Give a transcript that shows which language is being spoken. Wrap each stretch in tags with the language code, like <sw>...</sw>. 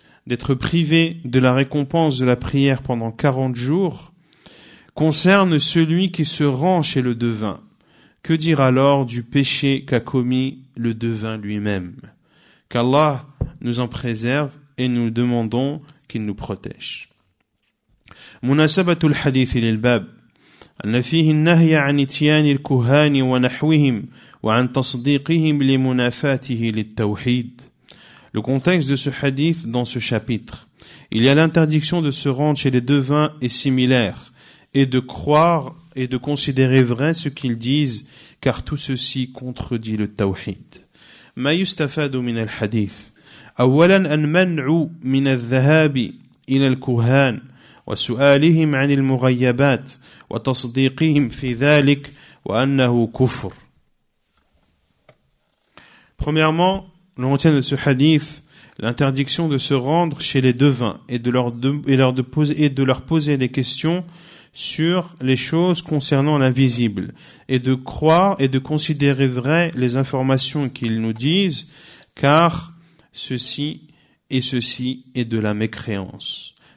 <fr>d'être privé de la récompense de la prière pendant 40 jours concerne celui qui se rend chez le devin. Que dire alors du péché qu'a commis le devin lui-même ? Qu'Allah nous en préserve et nous demandons qu'il nous protège.</fr> <ar>مناسبه الحديث للباب ان فيه النهي عن اتيان الكهان ونحوهم وعن تصديقهم لمنافاته للتوحيد.</ar> <fr>Le contexte de ce hadith dans ce chapitre, il y a l'interdiction de se rendre chez les devins et similaires et de croire et de considérer vrai ce qu'ils disent, car tout ceci contredit le tawhid.</fr> <ar>ما يستفاد من الحديث اولا المنع من الذهاب الى الكهان وسؤالهم عن المغيبات وتصديقهم في ذلك وأنه كفر.</ar> <fr>Premièrement, l'on retient de ce hadith l'interdiction de se rendre chez les devins et de leur poser des questions sur les choses concernant l'invisible et de croire et de considérer vrai les informations qu'ils nous disent, car ceci et ceci est de la mécréance.</fr>